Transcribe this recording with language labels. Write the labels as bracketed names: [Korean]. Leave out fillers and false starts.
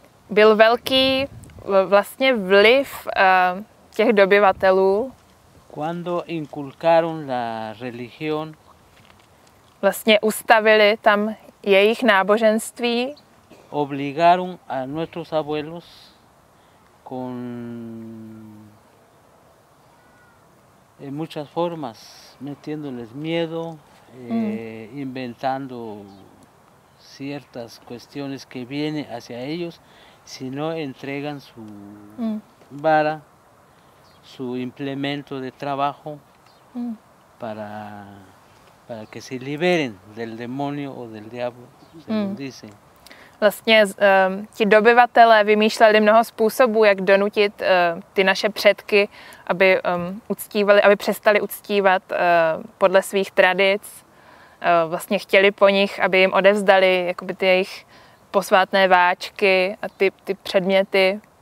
[Czech] Byl velký vlastně vliv těch dobyvatelů. [Spanish] Cuando inculcaron la religión. [Czech] Vlastně ustavili tam jejich náboženství. [Spanish] Obligaron a nuestros abuelos con en muchas formas, metiéndoles miedo, inventando ciertas cuestiones que vienen hacia ellos, si no entregan su vara, su implemento de trabajo, para que se liberen del demonio o del diablo, según dice. [Czech] Vlastně ti dobyvatelé vymýšleli mnoho způsobů, jak donutit ty naše předky, aby uctívali, aby přestali uctívat podle svých tradic. Vlastně chtěli po nich, aby jim odevzdali jakoby ty jejich posvátné váčky a ty předměty.